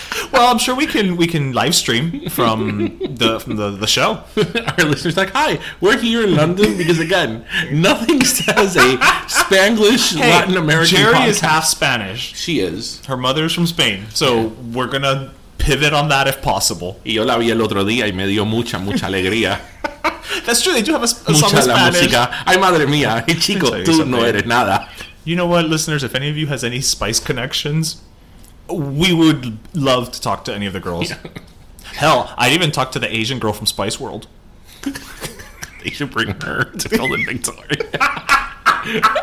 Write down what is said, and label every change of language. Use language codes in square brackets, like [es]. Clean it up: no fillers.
[en] Well, I'm sure we can live stream from the show. Our listeners are like, hi, we're here in London because, again, nothing says a Spanglish Latin American. Jerry podcast. Is half Spanish. She is. Her mother's from Spain. So we're going to pivot on that if possible. [es] Y yo la vi el otro día y me dio mucha, mucha alegría. [en] That's true. They do have a song in Spanish. [es] Música. Ay, madre mía. Hey, chico, tú no eres nada. [en] You know what, listeners? If any of you has any Spice connections, we would love to talk to any of the girls. Yeah. Hell, I'd even talk to the Asian girl from Spice World. They should bring her to tell the big story.